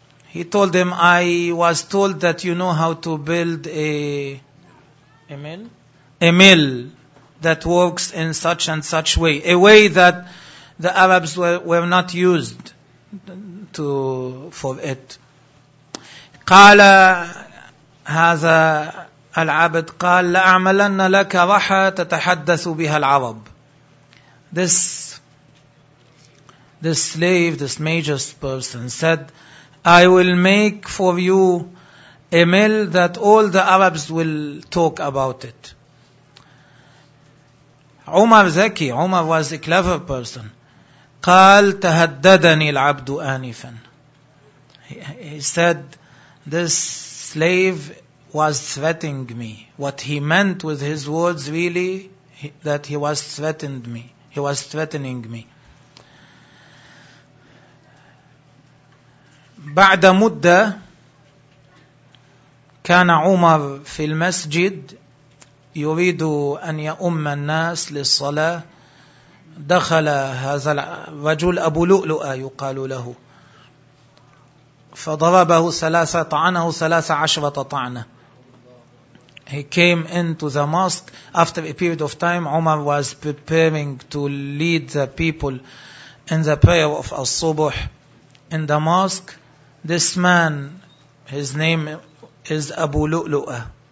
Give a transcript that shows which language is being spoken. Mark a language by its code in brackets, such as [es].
[en] He told him, I was told that you know how to build a mill that works in such and such way. A way that the Arabs were not used to for it. [ar] قال هذا العبد قال لأعملن لك رحى تتحدث بها العرب. [en] This slave, this major person said, I will make for you a mill that all the Arabs will talk about it. [ar] عمر ذكي. [en] عمر was a clever person. [ar] قال تهددني العبد آنفا. [en] He said, this slave was threatening me. What he meant with his words really, that he was threatened me. He was threatening me. [ar] بعد مدة كان عمر في المسجد يريد أن يأم الناس للصلاة. دخل هذا الرجل أبو لؤلؤة يقال له فضربه 13 طعنة. [en] He came into the mosque after a period of time. Umar was preparing to lead the people in the prayer of al-subuh in the mosque. This man, his name is Abu Lu'lu'a.